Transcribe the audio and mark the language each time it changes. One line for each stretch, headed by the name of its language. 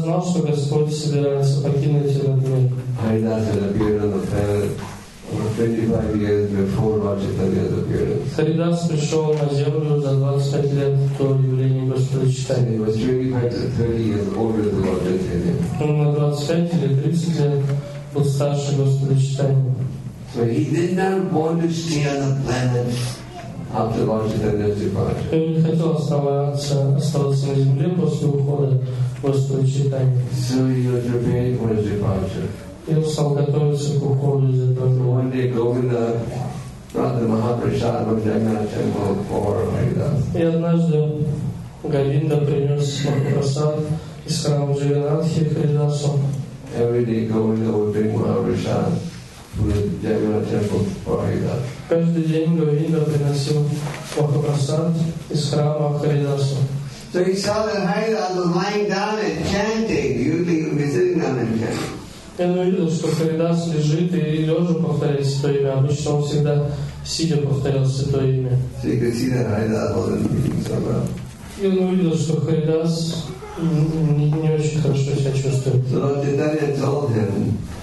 Russian: знал, что Господь собирается покинуть этот мир.
English: Харидас had appeared on the planet 25 years before Lord Chaitanya's appearance.
Russian: Харидас пришел на Землю за 25 лет до явления Господа Чайтаньи.
English: He was 25 to 30 years older than Lord Chaitanya.
Russian: На 25 или 30 лет был старше Господа Чайтаньи.
English: So he did not want to stay on the planet. After Lord Chaitanya's departure.
Russian: Он не хотел оставаться на земле после ухода Господа Чайтаньи.
English: So he was preparing for his departure.
Russian: И он стал готовиться к уходу из этого мира.
English: One day Govinda brought the Mahaprasad of Jagannath Temple for Haridas.
Russian: И однажды Говинда принес Махапрасад из храма Джаганатхи Харидасу.
English: Every day Govinda would bring Mahaprasad for Jagannath Temple for Haridas.
Russian: Каждый день Говинда приносил Махапрасад из храма Харидасу.
English: So he saw that Haridas was lying down and chanting. You think he'd be sitting down and chanting?
Russian: Я увидел, что Харидас лежит и лежа повторяет Святое имя. Обычно он всегда сидя повторял Святое имя.
English: So you could see that Haridas wasn't feeling so well.
Russian: Я увидел, что Харидас не очень хорошо себя чувствует.
English: So Lord Chaitanya told him,